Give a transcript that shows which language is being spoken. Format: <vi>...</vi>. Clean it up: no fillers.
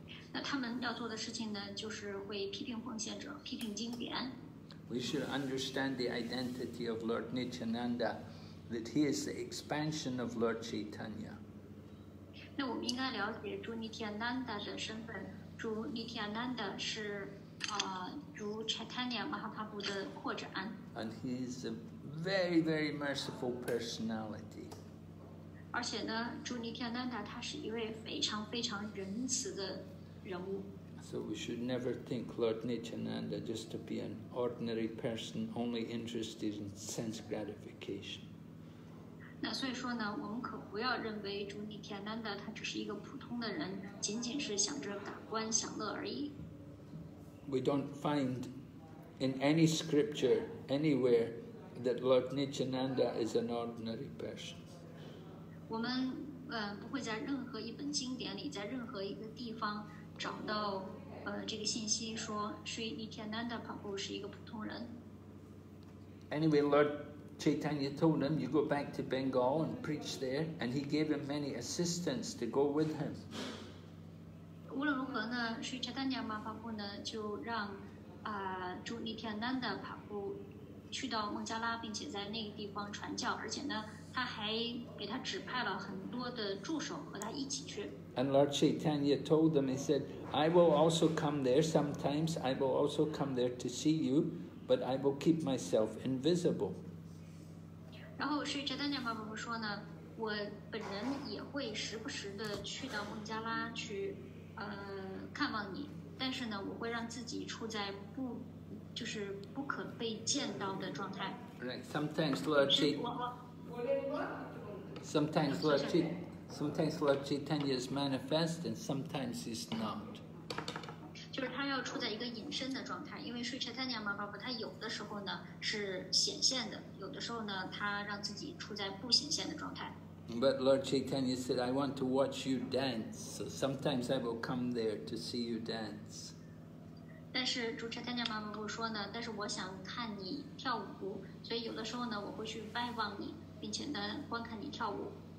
<zh>那他们要做的事情呢，就是会批评奉献者，批评经典。</zh> <en>We should understand the identity of Lord Nityananda, that he is the expansion of Lord Chaitanya.</en> <zh>那我们应该了解主尼天南达的身份，主尼天南达是主 Chaitanya Mahaprabhu 的扩展。</zh> <en>And he is a very, very merciful personality.</en> <zh>而且呢，朱尼天南达他是一位非常非常仁慈的人物。</zh> <en>So we should never think Lord Nityananda just to be an ordinary person only interested in sense gratification.</en> <zh>那所以说呢，我们可不要认为朱尼天南达他只是一个普通的人，仅仅是想着感官享乐而已。</zh> <en>We don't find in any scripture anywhere that Lord Nityananda is an ordinary person.</en> <zh>我们不会在任何一本经典里，在任何一个地方找到这个信息，说 Sri Nityananda Prabhu 是一个普通人。</zh> <en>Anyway, Lord Chaitanya told him, "You go back to Bengal and preach there." And he gave him many assistants to go with him.</en> <zh>无论如何呢 ，Sri Chaitanya Mahaprabhu 呢就让朱尼天南达帕布去到孟加拉，并且在那个地方传教，而且呢。他还给他指派了很多的助手和他一起去。</zh> <en>And Lord Chaitanya told them, he said, I will also come there sometimes, I will also come there to see you, but I will keep myself invisible.</en> <zh>然后是 Chaitanya Mahaprabhu 说呢，我本人也会时不时的去到孟加拉去看望你，但是呢，我会让自己处在不可被见到的状态。</zh> <en>Right, sometimes Lord Chaitanya... Sometimes Lord Chaitanya is manifest and sometimes he's not.</en> <zh>就是他要处在一个隐身的状态，因为Sri Chaitanya Mahaprabhu他有的时候呢是显现的，有的时候呢他让自己处在不显现的状态。</zh> <en>But Lord Chaitanya said, I want to watch you dance, so sometimes I will come there to see you dance.</en> <zh>但是主持人妈妈会说呢，但是我想看你跳舞，所以有的时候呢，我会去拜望你，并且呢观看你跳舞。</zh>